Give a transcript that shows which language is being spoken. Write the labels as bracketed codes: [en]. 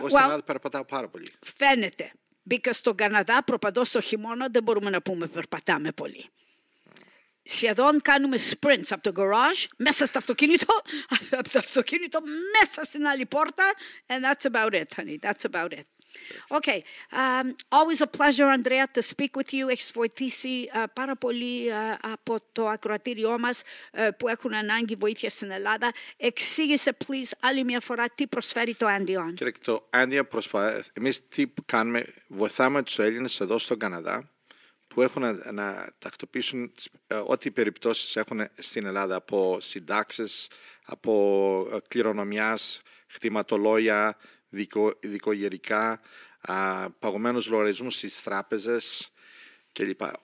[el] Εγώ στην Ελλάδα περπατάω πάρα πολύ. Φαίνεται. Μπήκα στον Καναδά, προπαντός το χειμώνα, δεν μπορούμε να πούμε περπατάμε πολύ. Σχεδόν κάνουμε sprints από το garage, μέσα στο αυτοκίνητο, από το αυτοκίνητο, μέσα στην άλλη πόρτα. [en] And that's about it, honey. That's about it. Okay. Always a pleasure, Andrea, to speak with you. [el] Έχεις βοηθήσει πάρα πολύ από το ακροατήριό μας που έχουν ανάγκη βοήθεια στην Ελλάδα. Εξήγησε, [en] please, [el] άλλη μια φορά, τι προσφέρει το Andion. Κύριε, το Andion προσπαθεί. Εμείς τι κάνουμε, βοηθάμε τους Έλληνες εδώ στον Καναδά, που έχουν να τακτοποιήσουν ό,τι περιπτώσεις έχουν στην Ελλάδα, από συντάξεις, από κληρονομιάς, χρηματολόγια, δικογερικά, παγωμένους λογαριασμούς στις τράπεζες κλπ.